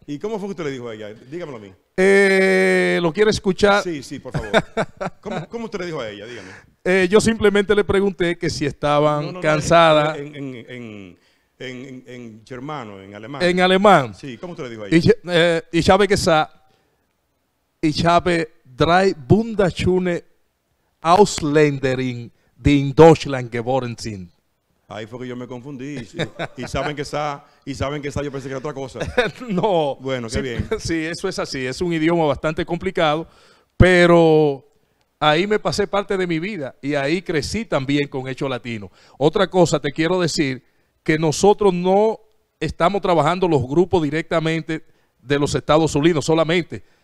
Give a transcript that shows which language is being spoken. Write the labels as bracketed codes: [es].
[es] ¿Y cómo fue que usted le dijo a ella? Dígamelo a mí. ¿Lo quiere escuchar? Sí, sí, por favor. ¿Cómo usted le dijo a ella? Dígame. Yo simplemente le pregunté que si estaban cansadas. En germano, en alemán. En alemán. Sí, ¿cómo usted le dijo ahí? [de] Ich habe gesagt, ich habe drei wunderschöne Ausländerin, die in Deutschland geboren sind. [es] Ahí fue que yo me confundí. Y saben que está, yo pensé que era otra cosa. No. Bueno, qué sí, bien. Sí, eso es así. Es un idioma bastante complicado, pero ahí me pasé parte de mi vida y ahí crecí también con hecho latino. Otra cosa te quiero decir, que nosotros no estamos trabajando los grupos directamente de los Estados Unidos solamente.